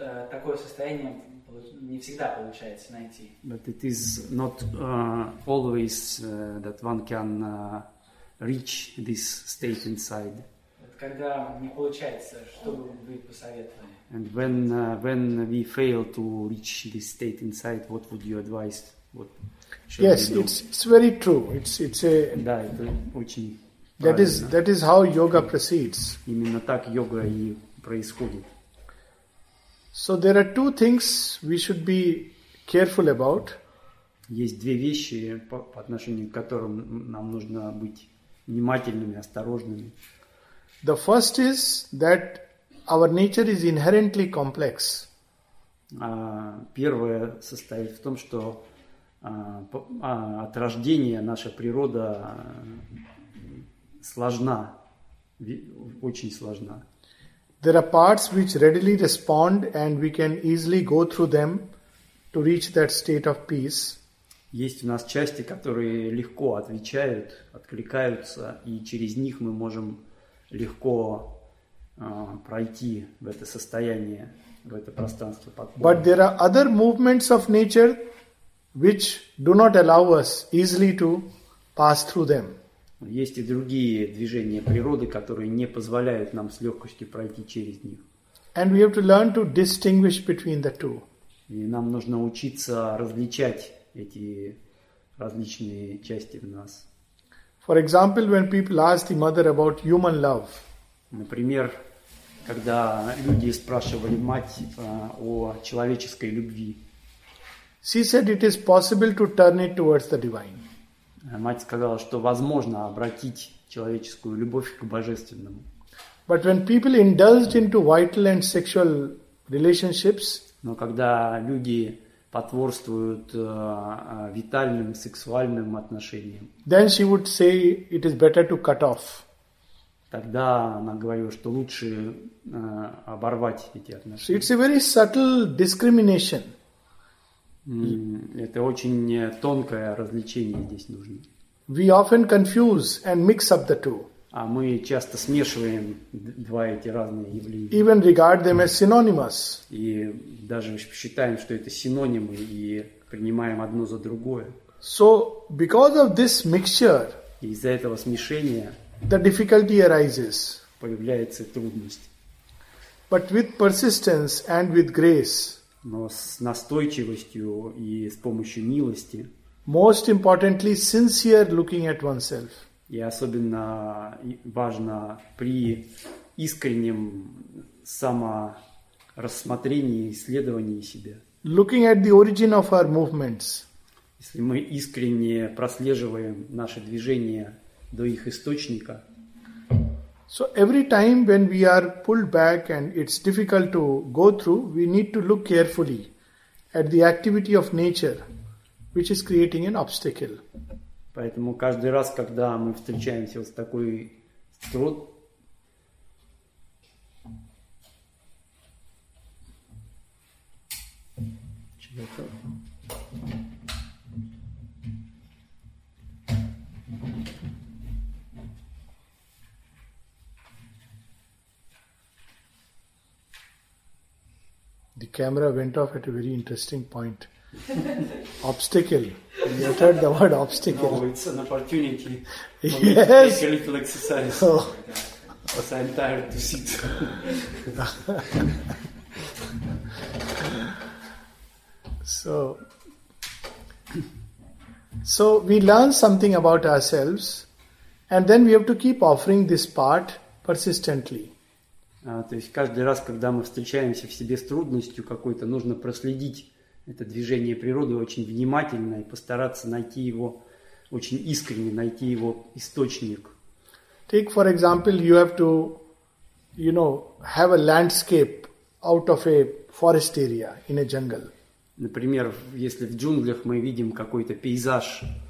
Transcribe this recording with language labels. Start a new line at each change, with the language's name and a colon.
Russian: Такое состояние не всегда получается найти.
English: But it is not always that one can reach this state inside.
Russian: Это когда не получается, что бы вы посоветовали?
English: And when we fail to reach this state inside, what would you advise? What should yes, we do? It's very true. It's a
Russian: да, это очень
English: That is how yoga proceeds.
Russian: Именно так йога и происходит.
English: So there are two things we should be careful about.
Russian: Есть две вещи, по отношению к которым нам нужно быть внимательными, осторожными.
English: The first is that our nature is inherently complex.
Russian: Первое состоит в том, что от рождения наша природа сложна, очень сложна.
English: There are parts which readily respond and we can easily go through them to reach that state of peace.
Russian: Есть у нас части, которые легко отвечают, откликаются, и через них мы можем легко пройти в это состояние, в это пространство покоя.
English: But there are other movements of nature which do not allow us easily to pass through them.
Russian: Есть и другие движения природы, которые не позволяют нам с легкостью пройти через них.
English: And we have to learn to distinguish between the two.
Russian: И нам нужно учиться различать эти различные части в нас.
English: For example, when people ask the mother about human love.
Russian: Например, когда люди спрашивали мать о человеческой любви.
English: She said it is possible to turn it towards the divine.
Russian: Мать сказала, что возможно обратить человеческую любовь к божественному.
English: But when people indulged into vital and sexual relationships,
Russian: но когда люди потворствуют витальным сексуальным отношениям,
English: then she would say it is better to cut off.
Russian: Тогда она говорила, что лучше оборвать эти отношения.
English: So it's a very subtle discrimination.
Russian: Это очень тонкое развлечение здесь нужно.
English: We often confuse and mix up the two.
Russian: А мы часто смешиваем два эти разные явления.
English: Even regard them as synonymous.
Russian: И даже считаем, что это синонимы, и принимаем одно за другое.
English: So because of this mixture,
Russian: из-за этого смешения,
English: the difficulty arises.
Russian: Появляется трудность.
English: But with persistence and with grace.
Russian: Но с настойчивостью и с помощью милости.
English: Most importantly, sincere looking at oneself.
Russian: И особенно важно при искреннем саморассмотрении, исследовании себя.
English: Looking at the origin of our movements.
Russian: Если мы искренне прослеживаем наши движения до их источника.
English: So every time when we are pulled back and it's difficult to go through, we need to look carefully at the activity of nature, which is creating an obstacle.
Russian: Поэтому каждый раз, когда мы встречаемся с такой трудностью,
English: the camera went off at a very interesting point. Obstacle. You uttered the word obstacle. No, it's an opportunity. Yes. Take a little exercise. Oh. As I'm tired to sit. So we learn something about ourselves and then we have to keep offering this part persistently.
Russian: То есть каждый раз, когда мы встречаемся в себе с трудностью какой-то, нужно проследить это движение природы очень внимательно и постараться найти его, очень искренне найти его источник.
English: Take, for example, you have to, you know, have a landscape out of a forest area in a jungle.
Russian: Например, если в джунглях мы видим какой-то пейзаж.